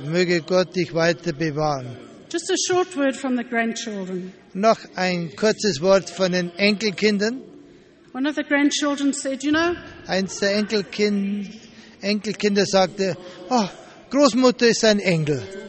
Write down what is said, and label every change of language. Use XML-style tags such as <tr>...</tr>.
<de>Möge Gott dich weiter bewahren.</de> <en>Just a short word from the grandchildren.</en> <de>Noch ein kurzes Wort von den Enkelkindern.</de> <en>One of the grandchildren said, you know,</en> <de>eins der Enkelkinder sagte, oh, Großmutter ist ein Engel.</de>